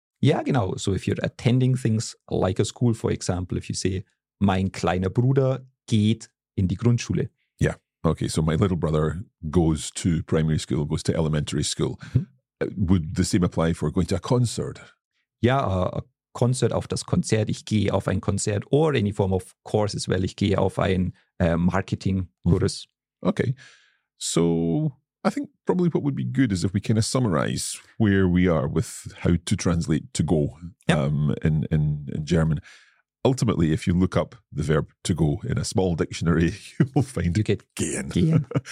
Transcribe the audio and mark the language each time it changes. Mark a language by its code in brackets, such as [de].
[en] Yeah, genau. So if you're attending things like a school, for example, if you say, [de] mein kleiner Bruder geht in die Grundschule. [en] Yeah, okay. So my little brother goes to primary school, goes to elementary school. Mm-hmm. Would the same apply for going to a concert? [de] Yeah, Konzert, auf das Konzert, ich gehe auf ein Konzert [en] or any form of course as well, [de] ich gehe auf ein Marketing-Kurs. [en] Okay, so I think probably what would be good is if we kind of summarize where we are with how to translate to go in German. Ultimately, if you look up the verb to go in a small dictionary, you will find you get gehen.